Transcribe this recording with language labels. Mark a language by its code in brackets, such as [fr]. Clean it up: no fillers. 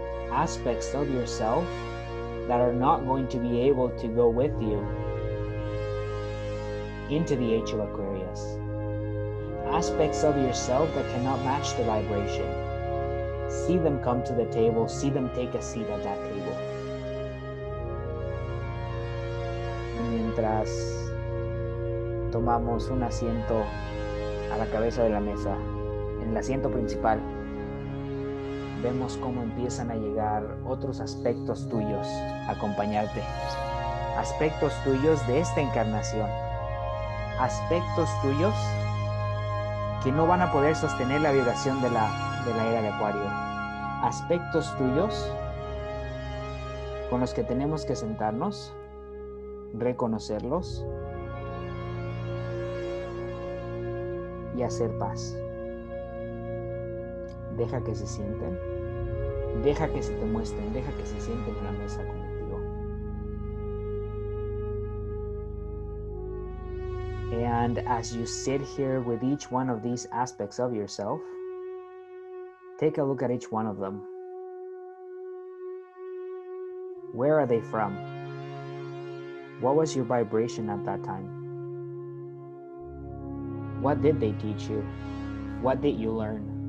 [en] Aspects of yourself that are not going to be able to go with you into the age of Aquarius. Aspects of yourself that cannot match the vibration. See them come to the table. See them take a seat at that table. [es] Y mientras tomamos un asiento a la cabeza de la mesa, en el asiento principal, vemos cómo empiezan a llegar otros aspectos tuyos a acompañarte. Aspectos tuyos de esta encarnación. Aspectos tuyos que no van a poder sostener la vibración de la era de Acuario. Aspectos tuyos con los que tenemos que sentarnos, reconocerlos y hacer paz. Deja que se sienten Deja que se te muestren, deja que se sienten en la mesa con [en] And as you sit here with each one of these aspects of yourself, take a look at each one of them. Where are they from? What was your vibration at that time? What did they teach you? What did you learn?